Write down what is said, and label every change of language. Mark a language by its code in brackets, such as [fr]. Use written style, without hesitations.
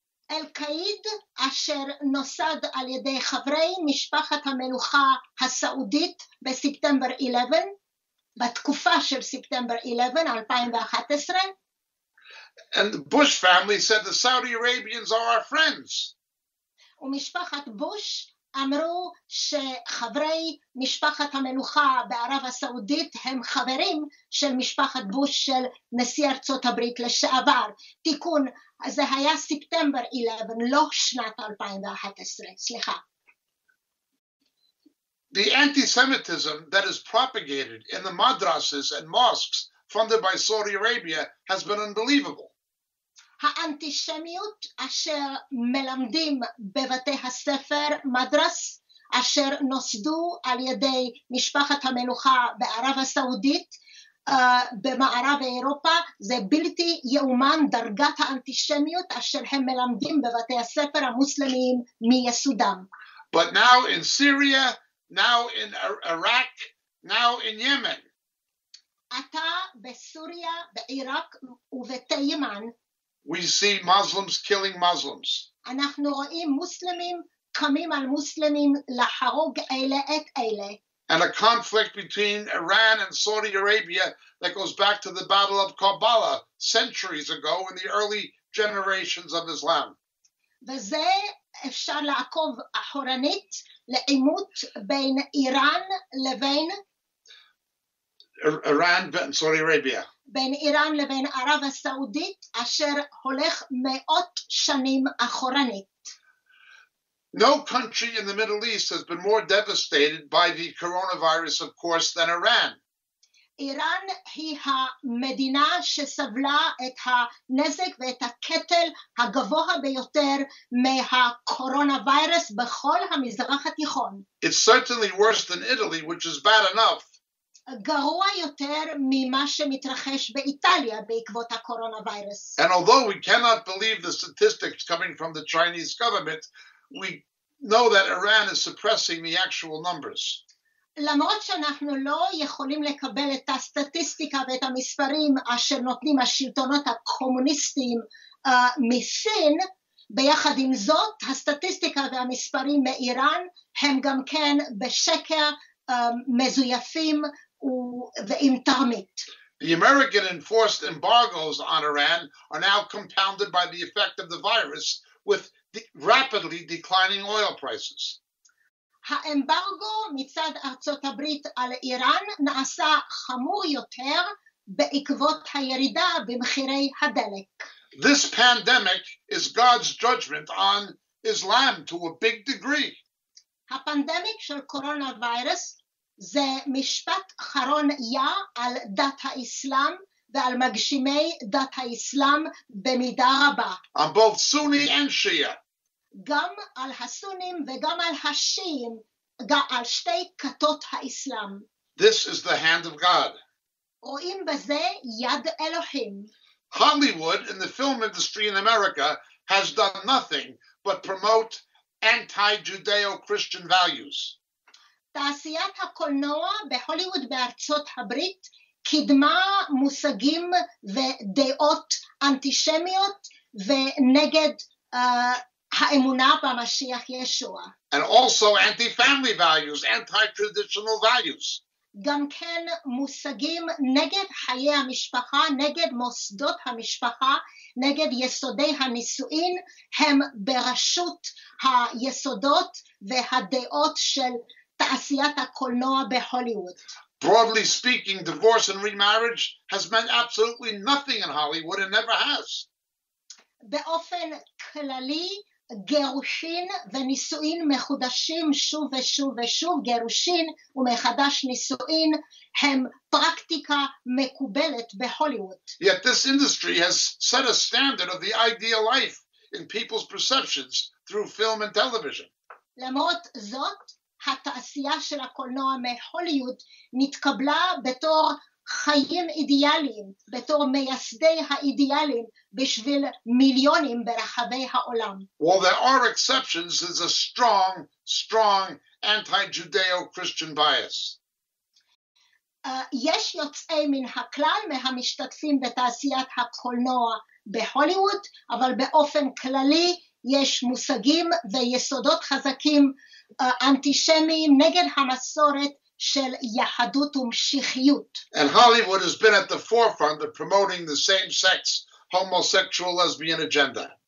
[he] אל-קאיד אשר נוסד על ידי חברי משפחת המלוכה הסעודית בספטמבר 11, בתקופה של ספטמבר 11, 2011. [en] And the Bush family said the Saudi Arabians are our friends. [he] ומשפחת בוש אמרו שחברי משפחת המלוכה בערב הסעודית הם חברים של משפחת בוש של נשיא ארצות הברית לשעבר. תיקון, זה היה ספטמבר 11, לא שנת 2011, סליחה. [en] The anti-Semitism that is propagated in the madrasas and mosques funded by Saudi Arabia has been unbelievable. [he] האנטישמיות אשר מלמדים בבתי הספר מדרס אשר נוסדו על ידי משפחת המלוכה בערב הסעודית במערב אירופה זה בלתי יאומן דרגת האנטישמיות אשר הם מלמדים בבתי הספר המוסלמיים מיסודם. [en] But now in Syria, now in Iraq, now in Yemen. [he] אתה בסוריה, בעיראק ובתימן. [en] We see Muslims killing Muslims. [he] אנחנו רואים מוסלמים קמים על מוסלמים להרוג אלה את אלה. [en] And a conflict between Iran and Saudi Arabia that goes back to the Battle of Karbala centuries ago in the early generations of Islam. [he] וזה אפשר לעקוב אחורנית לעימות בין איראן לבין [en] Iran and Saudi Arabia. [he] בין איראן לבין ערב הסעודית אשר הולך מאות שנים אחורנית. [en] No country in the Middle East has been more devastated by the coronavirus, of course, than Iran. [he] Iran היא המדינה שסבלה את הנזק ואת הקטל הגבוה ביותר מהקורונה-וירוס בכל המזרח התיכון. [en] It's certainly worse than Italy, which is bad enough. [he] גרוע יותר ממה שמתרחש באיטליה בעקבות הקורונה-וירוס. [en] And although we cannot believe the statistics coming from the Chinese government, we know that Iran is suppressing the actual numbers. [he] למרות שאנחנו לא יכולים לקבל את הסטטיסטיקה ואת המספרים אשר נותנים השלטונות הקומוניסטיים מסין, ביחד עם זאת, הסטטיסטיקה והמספרים מאיראן הם גם כן בשקר מזויפים ועם תרמית. [en] The American enforced embargoes on Iran are now compounded by the effect of the virus with rapidly declining oil prices. [he] האמברגו מצד ארצות הברית על איראן נעשה חמור יותר בעקבות הירידה במחירי הדלק. [en] This pandemic is God's judgment on Islam to a big degree. [he] הפנדמיק של קורונה וירוס זה משפט חרון יה על דת האסלאם ועל מגשימי דת האסלאם במידה רבה. [en] On both Sunni and Shia. [he] גם על הסונים וגם על השיעים, על שתי כתות האסלאם. [en] This is the hand of God. [he] רואים בזה יד אלוהים. [en] Hollywood in the film industry in America has done nothing but promote anti-Judeo-Christian values. [he] תעשיית הקולנוע בהוליווד בארצות הברית קידמה מושגים ודעות אנטישמיות ונגד האמונה במשיח ישוע. [en] And also anti-family values, anti-traditional values. [he] גם כן מושגים נגד חיי המשפחה, נגד מוסדות המשפחה, נגד יסודי הנישואין, הם ברשות היסודות והדעות של תעשיית הקולנוע בהוליווד. [en] Broadly speaking, divorce and remarriage has meant absolutely nothing in Hollywood and never has. [he] באופן כללי, גירושין ונישואין מחודשים שוב ושוב ושוב, גירושין ומחדש נישואין הם פרקטיקה מקובלת בהוליווד. [en] Yet this industry has set a standard of the ideal life in people's perceptions through film and television. [he] למרות זאת, התעשייה של הקולנוע מהוליווד נתקבלה בתור חיים אידיאליים, בתור מייסדי האידיאליים בשביל מיליונים ברחבי העולם. [en] Well, there are exceptions. There's a strong, strong anti-Judeo-Christian bias. [he] יש יוצאי מן הכלל מהמשתתפים בתעשיית הקולנוע בהוליווד, אבל באופן כללי יש מושגים ויסודות חזקים אנטישמיים נגד המסורת של יהדות ומשיחיות. [en] And Hollywood has been at the forefront of promoting the same-sex homosexual lesbian agenda.